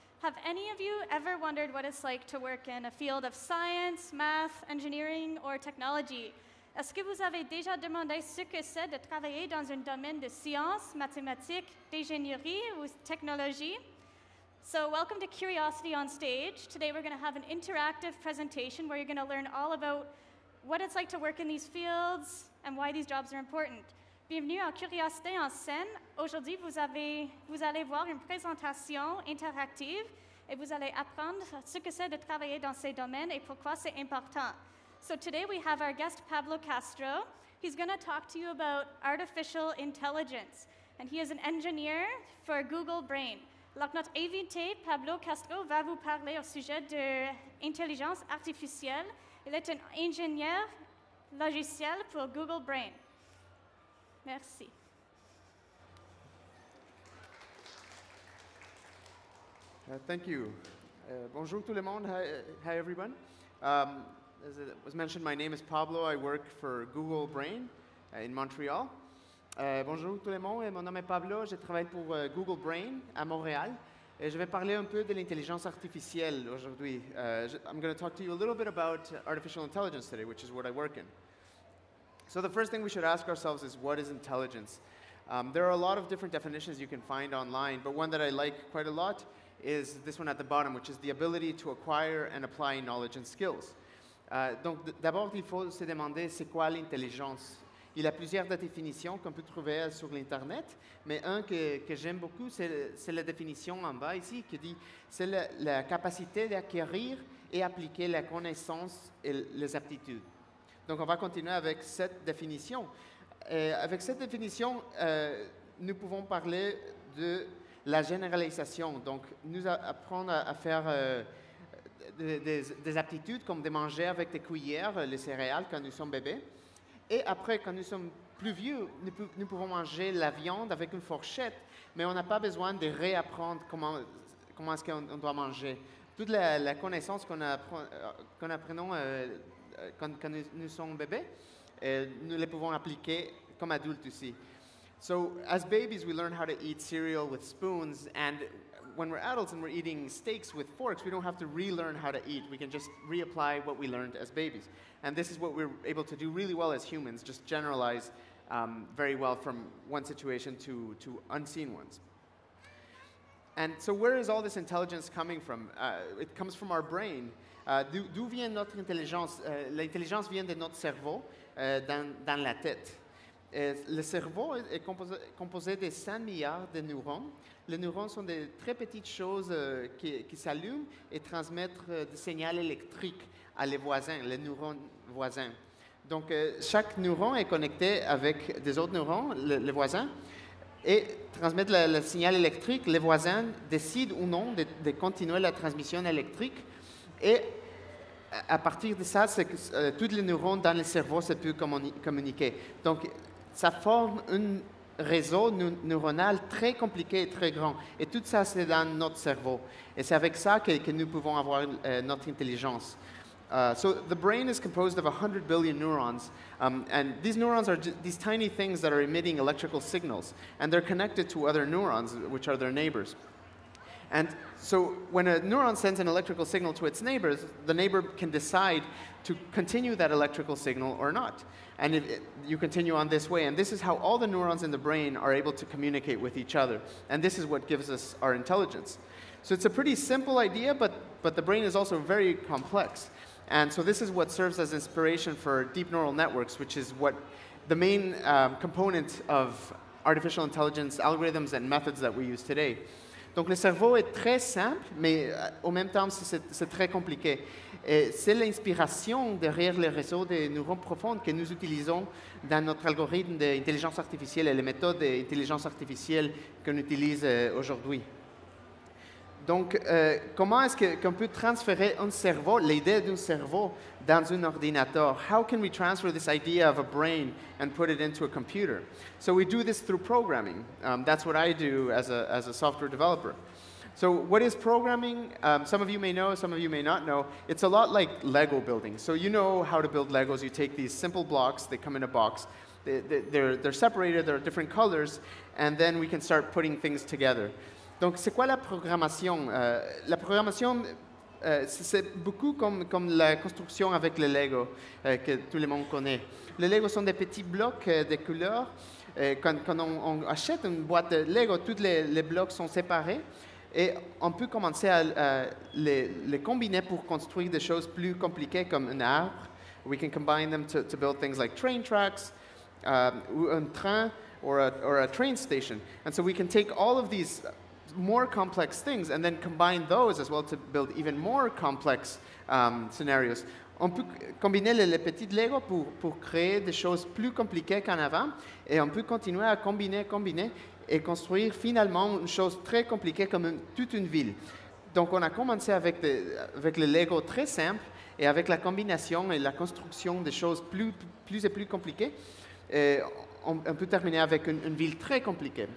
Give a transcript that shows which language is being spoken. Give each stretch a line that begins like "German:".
English: Have any of you ever wondered what it's like to work in a field of science, math, engineering, or technology?
French: Est-ce que vous avez déjà demandé ce que c'est de travailler dans un domaine de science, mathématiques, d'ingénierie ou technologie?
English: So welcome to Curiosity on Stage. Today we're going to have an interactive presentation where you're going to learn all about what it's like to work in these fields and why these jobs are important.
French: Bienvenue à Curiosité en scène. Aujourd'hui, vous allez voir une présentation interactive et vous allez apprendre ce que c'est de travailler dans ces domaines et pourquoi c'est important.
English: So today we have our guest Pablo Castro. He's going to talk to you about artificial intelligence. And he is an engineer for Google Brain.
French: Alors notre invité, Pablo Castro, va vous parler au sujet de l'intelligence artificielle. Il est un ingénieur logiciel pour Google Brain. Merci.
English: Thank you.
French: Bonjour tout le monde.
English: Hi everyone. As it was mentioned, my name is Pablo. I work for Google Brain in Montreal.
French: Bonjour tout le monde. Mon nom est Pablo. Je travaille pour Google Brain à Montréal. Et je vais parler un peu de l'intelligence artificielle aujourd'hui.
English: I'm going to talk to you a little bit about artificial intelligence today, which is what I work in. So the first thing we should ask ourselves is, what is intelligence? There are a lot of different definitions you can find online, but one that I like quite a lot is this one at the bottom, which is the ability to acquire and apply knowledge and skills.
French: Donc d'abord, il faut se demander c'est quoi l'intelligence. Il y a plusieurs définitions qu'on peut trouver sur l'Internet, mais un que j'aime beaucoup, c'est la définition en bas ici, qui dit c'est la capacité d'acquérir et appliquer la connaissance et les aptitudes. Donc, on va continuer avec cette définition. Et avec cette définition, nous pouvons parler de la généralisation. Donc, nous apprendre à faire des aptitudes, comme de manger avec des cuillères les céréales quand nous sommes bébés. Et après, quand nous sommes plus vieux, nous pouvons manger la viande avec une fourchette, mais on n'a pas besoin de réapprendre comment est-ce qu'on doit manger. Toute la connaissance qu'on apprend quand nous sommes bébés, nous les pouvons appliquer comme adultes aussi.
English: So, as babies, we learn how to eat cereal with spoons, and when we're adults and we're eating steaks with forks, we don't have to relearn how to eat. We can just reapply what we learned as babies. And this is what we're able to do really well as humans, just generalize very well from one situation to unseen ones. And so where is all this intelligence coming from? It comes from our brain.
French: D'où vient notre intelligence? L'intelligence vient de notre cerveau, dans la tête. Le cerveau est composé de 5 milliards de neurones. Les neurones sont des très petites choses qui s'allument et transmettent des signaux électriques à les neurones voisins. Donc, chaque neurone est connecté avec des autres neurones, les voisins, et transmettre le signal électrique. Les voisins décident ou non de continuer la transmission électrique. Et à partir de ça, c'est que tous les neurones dans le cerveau se peuvent communiquer. Donc, ça forme un réseau neuronal très compliqué et très grand. Et tout ça, c'est dans notre cerveau. Et c'est avec ça que nous pouvons avoir notre intelligence.
English: So the brain is composed of 100 billion neurons. And these neurons are these tiny things that are emitting electrical signals. And they're connected to other neurons, which are their neighbors. And so when a neuron sends an electrical signal to its neighbors, the neighbor can decide to continue that electrical signal or not. And you continue on this way. And this is how all the neurons in the brain are able to communicate with each other. And this is what gives us our intelligence. So it's a pretty simple idea, but the brain is also very complex. And so this is what serves as inspiration for deep neural networks, which is what the main component of artificial intelligence algorithms and methods that we use today.
French: Donc le cerveau est très simple, mais en même temps c'est très compliqué. Et c'est l'inspiration derrière les réseaux de neurones profonds que nous utilisons dans notre algorithme d'intelligence artificielle et les méthodes d'intelligence artificielle qu'on utilise aujourd'hui. Donc, comment est-ce qu'on peut transférer un cerveau, l'idée d'un cerveau, dans un ordinateur?
English: How can we transfer this idea of a brain and put it into a computer? So we do this through programming. That's what I do as a software developer. So what is programming? Some of you may know, some of you may not know. It's a lot like Lego building. So you know how to build Legos. You take these simple blocks, they come in a box. They're separated, they're different colors, and then we can start putting things together.
French: Donc c'est quoi la programmation? La programmation, c'est beaucoup comme la construction avec le Lego que tout le monde connaît. Les Lego sont des petits blocs de couleurs. Quand on achète une boîte de Lego, tous les blocs sont séparés. Et on peut commencer à les combiner pour construire des choses plus compliquées comme un arbre.
English: We can combine them to build things like train tracks,
French: ou un train,
English: or a train station. And so we can take all of these more complex things and then combine those as well to build even more complex scenarios.
French: On peut combiner les petits Lego pour créer des choses plus compliquées qu'en avant. Et on peut continuer à combiner. Et construire finalement une chose très compliquée comme toute une ville. Donc on a commencé avec le Lego très simple et avec la combination et la construction des choses plus et plus compliquées, et on peut terminer avec une ville très compliquée.